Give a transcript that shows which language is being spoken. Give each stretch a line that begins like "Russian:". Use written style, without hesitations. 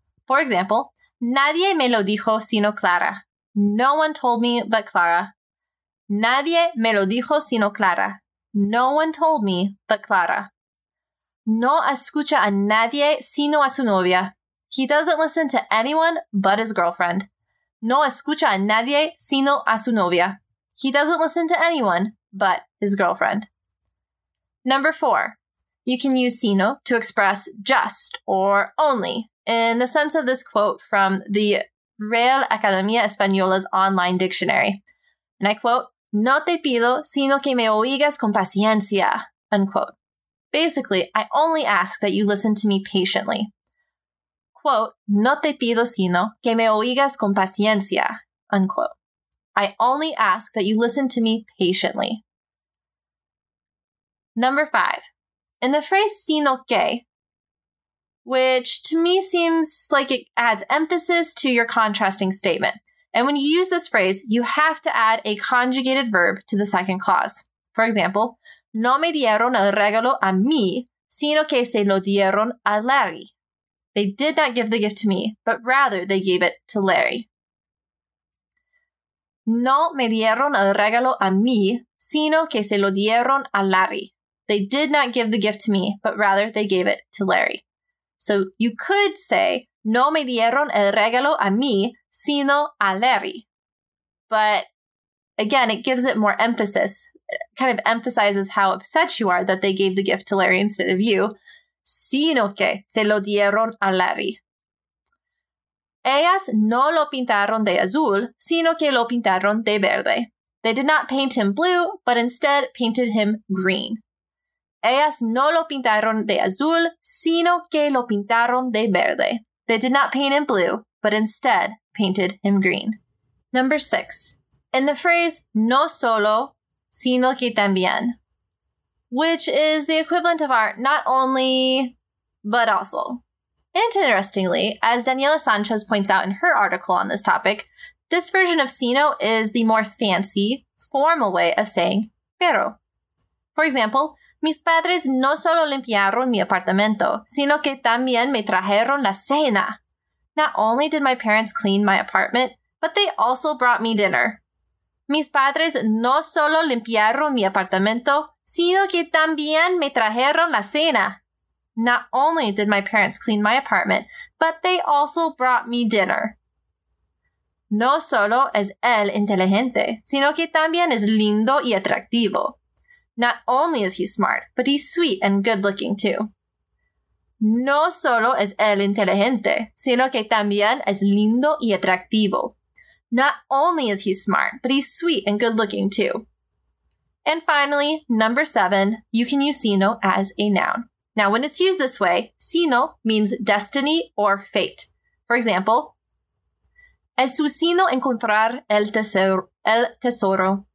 English: For example,
Spanish: nadie me lo dijo sino Clara.
English: No one told me but Clara.
Spanish: Nadie me lo dijo sino Clara.
English: No one told me but Clara.
Spanish: No escucha a nadie sino a su novia.
English: He doesn't listen to anyone but his girlfriend.
Spanish: No escucha a nadie sino a su novia.
English: He doesn't listen to anyone but his girlfriend. Number four, you can use sino to express just or only in the sense of this quote from the Real Academia Española's online dictionary. And I quote,
Spanish: no te pido sino que me oigas con paciencia,
English: unquote. Basically, I only ask that you listen to me patiently. Quote,
Spanish: no te pido sino que me oigas con paciencia,
English: unquote. I only ask that you listen to me patiently. Number five, in the phrase sino que, which to me seems like it adds emphasis to your contrasting statement. And when you use this phrase, you have to add a conjugated verb to the second clause. For example,
Spanish: no me dieron el regalo a mí, sino que se lo dieron a Larry.
English: They did not give the gift to me, but rather they gave it to Larry.
Spanish: No me dieron el regalo a mí, sino que se lo dieron a Larry.
English: They did not give the gift to me, but rather they gave it to Larry. So you could say,
Spanish: no me dieron el regalo a mí, sino a Larry.
English: But again, it gives it more emphasis. It kind of emphasizes how upset you are that they gave the gift to Larry instead of you.
Spanish: Sino que se lo dieron a Larry. Ellas no lo pintaron de azul, sino que lo pintaron de verde.
English: They did not paint him blue, but instead painted him green.
Spanish: Ellas no lo pintaron de azul, sino que lo pintaron de verde.
English: They did not paint him blue, but instead painted him green. Number six. In the phrase
Spanish: no solo, sino que también,
English: which is the equivalent of our not only, but also. Interestingly, as Daniela Sanchez points out in her article on this topic, this version of sino is the more fancy, formal way of saying pero. For example,
Spanish: mis padres no solo limpiaron mi apartamento, sino que también me trajeron la cena.
English: Not only did my parents clean my apartment, but they also brought me dinner.
Spanish: Mis padres no solo limpiaron mi apartamento, sino que también me trajeron la cena.
English: Not only did my parents clean my apartment, but they also brought me dinner.
Spanish: No solo es él inteligente, sino que también es lindo y atractivo.
English: Not only is he smart, but he's sweet and good-looking, too.
Spanish: No solo es él inteligente, sino que también es lindo y atractivo.
English: Not only is he smart, but he's sweet and good-looking, too. And finally, number seven, you can use sino as a noun. Now, when it's used this way, sino means destiny or fate. For example,
Spanish: Es su sino encontrar el tesoro.